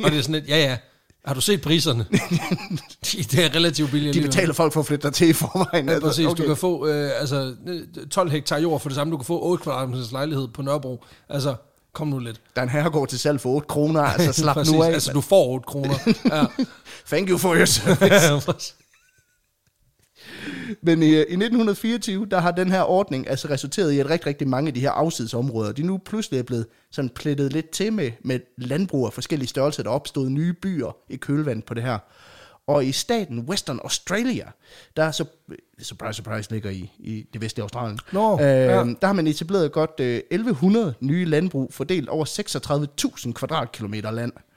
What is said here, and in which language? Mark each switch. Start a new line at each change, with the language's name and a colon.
Danish: Og det er sådan et, ja. Har du set priserne? Det er relativt billigt. De betaler folk for at flytte dig til i forvejen. Ja, præcis. Okay. Du kan få 12 hektar jord for det samme. Du kan få 8 kvadratmeters lejlighed på Nørrebro. Altså, kom nu lidt. Der er en herregård til salg for 8 kroner. Altså, slap nu af. Altså, du får 8 kroner. Ja.
English: Thank you for your service.
Danish: Men i 1924, der har den her ordning altså resulteret i, at rigtig, rigtig mange af de her afsidesområder, de nu pludselig er blevet sådan plettet lidt til med landbrug af forskellige størrelser, der opstod nye byer i kølvand på det her. Og i staten Western Australia, der er så,
English: surprise, surprise,
Danish: ligger i det vestlige Australien, der har man etableret godt 1100 nye landbrug fordelt over 36.000 kvadratkilometer land.